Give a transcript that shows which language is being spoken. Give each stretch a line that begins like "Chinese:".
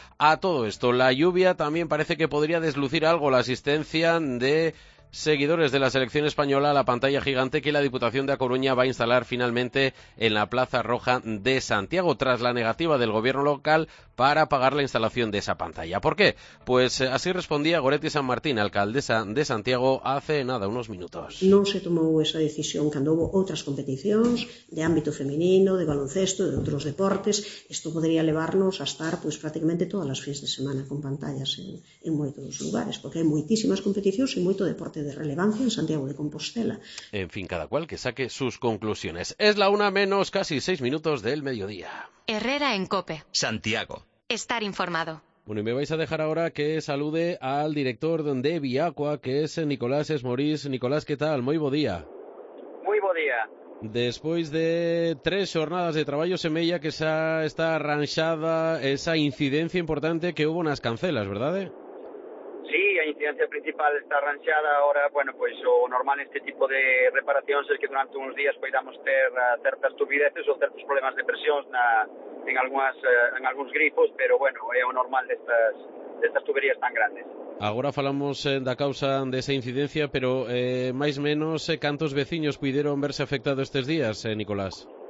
Spanish: A todo esto, la lluvia también parece que podría deslucir algo la asistencia de seguidores de la selección española a la pantalla gigante que la Diputación de A Coruña va a instalar finalmente en la Plaza Roja de Santiago, tras la negativa del gobierno local para pagar la instalación de esa pantalla. ¿Por qué? Pues así respondía Goretti San Martín, alcaldesa de Santiago, hace nada, unos minutos.
Galician: Non se tomou esa decisión cando houve outras competicións de ámbito feminino, de baloncesto, de outros deportes. Isto podría levarnos a estar pues, prácticamente todas as fins de semana con pantallas en moitos lugares, porque hai moitísimas competicións e moito deporte de relevancia en Santiago de Compostela.
Spanish: En fin, cada cual que saque sus conclusiones. Es la una menos casi seis minutos del mediodía. Herrera en COPE. Santiago. Estar informado. Bueno, y me vais a dejar ahora que salude al director de Viacqua, que es Nicolás Esmorís. Nicolás, ¿qué tal?
Galician: Muy bo día. Muy bo día. Después de tres jornadas de traballo semella que xa está arranxada esa incidencia importante que hubo nas cancelas, ¿verdad? Sí, a incidencia principal está arranxada. Ahora, bueno, pois o normal neste tipo de reparacións é que durante uns días poidamos ter certas turbideces ou certos problemas de presión en algúns grifos, pero bueno, é o normal destas tuberías tan grandes. Agora falamos da causa desa incidencia, pero máis menos cantos veciños puideron verse afectados estes días, Nicolás?